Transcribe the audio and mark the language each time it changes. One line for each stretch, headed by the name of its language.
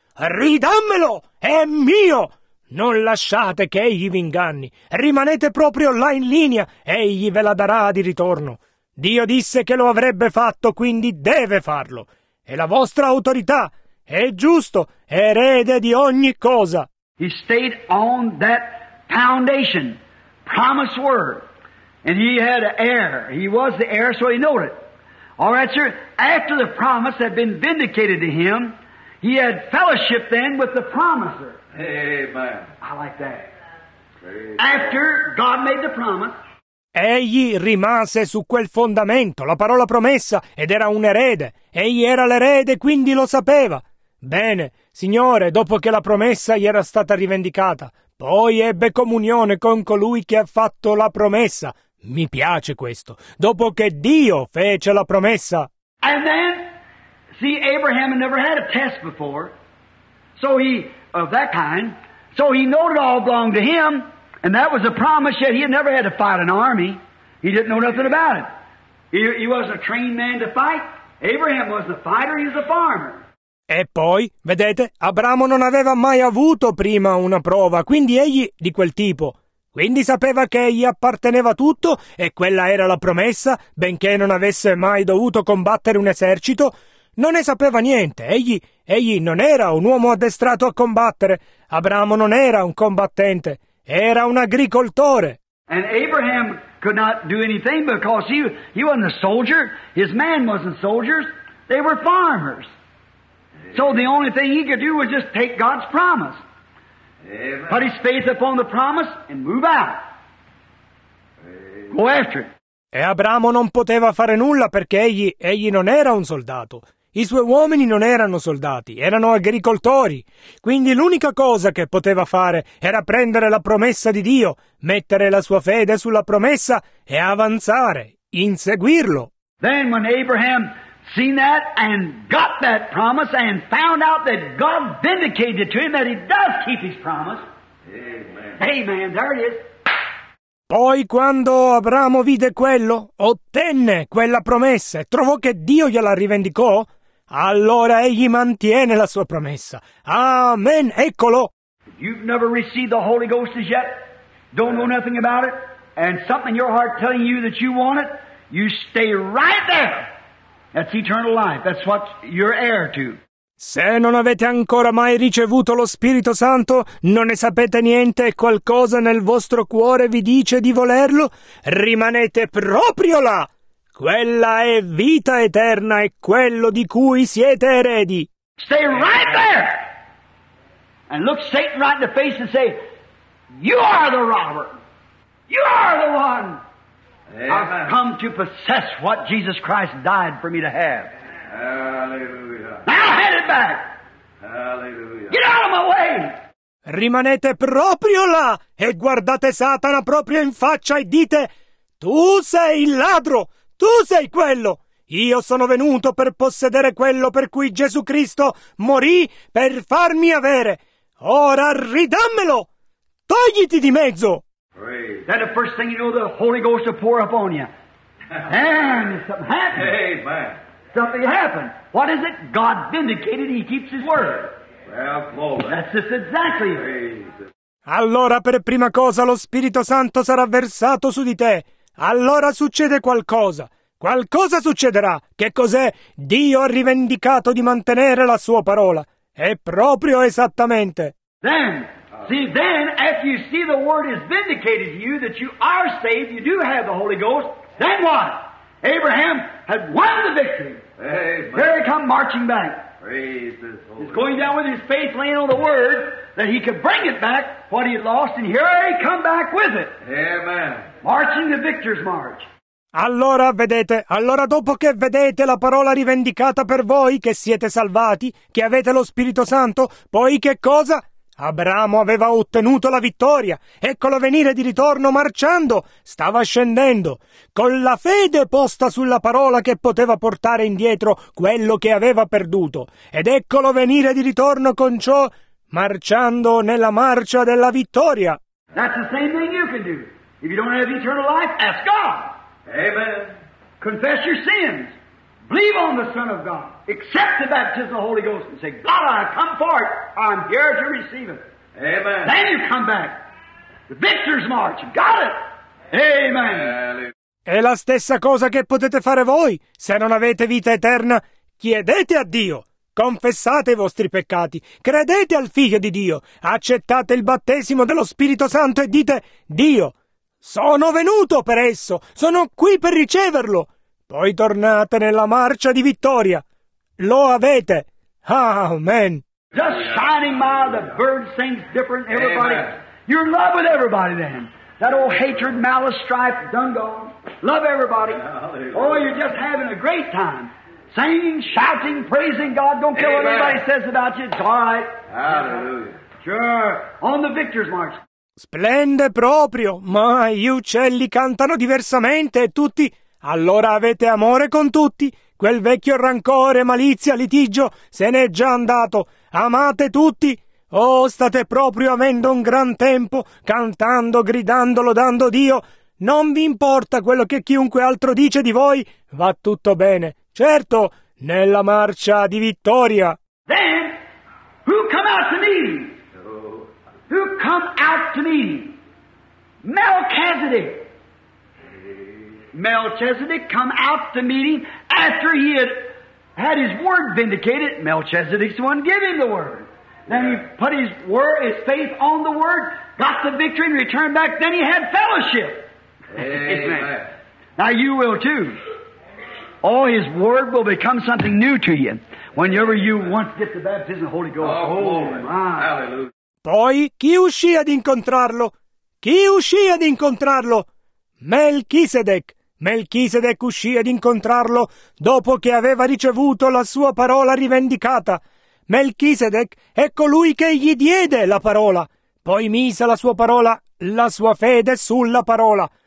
Italian: Ridammelo! È mio! Non lasciate che egli vi inganni. Rimanete proprio là in linea e egli ve la darà di ritorno. Dio disse che lo avrebbe fatto, quindi deve farlo. E la vostra autorità è giusto, erede di ogni cosa.
English: He stayed on that foundation, promise word. And he had an heir. He was the heir, so he knew it. All right, sir. After the promise had been vindicated to him, he had fellowship then with the promiser. Amen. I like that. Amen. After God made the promise.
Italian: Egli rimase su quel fondamento, la parola promessa, ed era un erede. Egli era l'erede, quindi lo sapeva. Bene, Signore, dopo che la promessa gli era stata rivendicata, poi ebbe comunione con colui che ha fatto la promessa. Mi piace questo. Dopo che Dio fece la promessa.
English: And then, see, Abraham had never had a test before, so he, of that kind, so he knew it all belonged to him, and that was a promise, yet he had never had to fight an army. He didn't know nothing about it. He wasn't a trained man to fight. Abraham wasn't a fighter, he was a farmer.
Italian: E poi, vedete, Abramo non aveva mai avuto prima una prova, quindi egli di quel tipo. Quindi sapeva che gli apparteneva tutto e quella era la promessa, benché non avesse mai dovuto combattere un esercito. Non ne sapeva niente, egli non era un uomo addestrato a combattere. Abramo non era un combattente, era un agricoltore.
English: And Abraham could not do anything because he wasn't a soldier, his man wasn't soldiers, they were farmers. So the only thing he could do was just take God's promise. Amen. Put his faith upon the promise and move out. Amen. Go after it.
Italian: E Abramo non poteva fare nulla perché egli non era un soldato. I suoi uomini non erano soldati, erano agricoltori. Quindi l'unica cosa che poteva fare era prendere la promessa di Dio, mettere la sua fede sulla promessa e avanzare, inseguirlo.
English: Then when Abraham seen that and got that promise and found out that God vindicated to him that he does keep his promise. Amen. Amen. There it is.
Italian: Poi quando Abramo vide quello, ottenne quella promessa e trovò che Dio gliela rivendicò, allora egli mantiene la sua promessa. Amen. Eccolo.
English: You've never received the Holy Ghost as yet, don't know nothing about it, and something in your heart telling you that you want it, you stay right there. That's eternal life. That's what you're heir to.
Italian: Se non avete ancora mai ricevuto lo Spirito Santo, non ne sapete niente e qualcosa nel vostro cuore vi dice di volerlo, rimanete proprio là. Quella è vita eterna e quello di cui siete eredi.
English: Stay right there. And look Satan right in the face and say, "You are the robber. You are the one. Amen. I've come to possess what Jesus Christ died for me to have." Hallelujah. Now head it back. Hallelujah. Get out of my way.
Italian: Rimanete proprio là e guardate Satana proprio in faccia e dite: "Tu sei il ladro, tu sei quello. Io sono venuto per possedere quello per cui Gesù Cristo morì per farmi avere. Ora ridammelo. Togliti di mezzo."
English: Then the first thing you know, the Holy Ghost will pour upon you. And something happened. Amen. Something happened. What is it? God vindicated, he keeps his word. Well, glory. That's just exactly it.
Italian: Allora per prima cosa lo Spirito Santo sarà versato su di te. Allora succede qualcosa. Qualcosa succederà. Che cos'è? Dio ha rivendicato di mantenere la sua parola. È proprio esattamente.
English: Then, see, then, after you see the word is vindicated to you, that you are saved, you do have the Holy Ghost, then what? Abraham had won the victory. Amen. Here he come marching back. Praise the Holy Ghost. He's going down with his faith, laying on the word, that he could bring it back, what he had lost, and here he come back with it. Amen. Marching the victor's march.
Italian: Allora, vedete, allora dopo che vedete la parola rivendicata per voi, che siete salvati, che avete lo Spirito Santo, poi che cosa? Abramo aveva ottenuto la vittoria, eccolo venire di ritorno marciando, stava scendendo, con la fede posta sulla parola che poteva portare indietro quello che aveva perduto, ed eccolo venire di ritorno con ciò, marciando nella marcia della vittoria.
English: That's the same thing you can do. If you don't have eternal life, ask God. Amen. Confess your sins. Believe on the Son of God. Accept the baptism of the Holy Ghost and say, God, I come for it. I'm here to receive it. Amen. Then you come back. The victor's march. Got it. Amen.
Italian: È la stessa cosa che potete fare voi. Se non avete vita eterna, chiedete a Dio. Confessate i vostri peccati, credete al Figlio di Dio, accettate il battesimo dello Spirito Santo e dite: Dio, sono venuto per esso, sono qui per riceverlo. Poi tornate nella marcia di vittoria. Lo avete. Amen.
English: Just shining mild, the bird sings different, everybody. You're in love with everybody then. That old hatred, malice, strife, done gone. Love everybody. Oh, you're just having a great time. Singing, shouting, praising God. Don't care what anybody says about you. It's all right. Hallelujah. Sure. On the victor's march.
Italian: Splende proprio. Ma gli uccelli cantano diversamente e tutti... Allora avete amore con tutti. Quel vecchio rancore, malizia, litigio se n'è già andato. Amate tutti. Oh, state proprio avendo un gran tempo, cantando, gridando, lodando Dio. Non vi importa quello che chiunque altro dice di voi. Va tutto bene. Certo, nella marcia di vittoria.
English: Then, who come out to me? Who come out to me? Melchizedek. Melchizedek come out to meeting after he had his word vindicated. Melchizedek's the one giving the word. Then he put his word, his faith on the word, got the victory and returned back. Then he had fellowship. Amen. Now you will too. All his word will become something new to you whenever you want to get the baptism of the Holy Ghost. Oh, hallelujah.
Italian: Poi chi uscì ad incontrarlo? Chi uscì ad incontrarlo? Melchizedek. Melchizedek uscì ad incontrarlo dopo che aveva ricevuto la sua parola rivendicata. Melchizedek è colui che gli diede la parola, poi mise la sua parola, la sua fede sulla parola.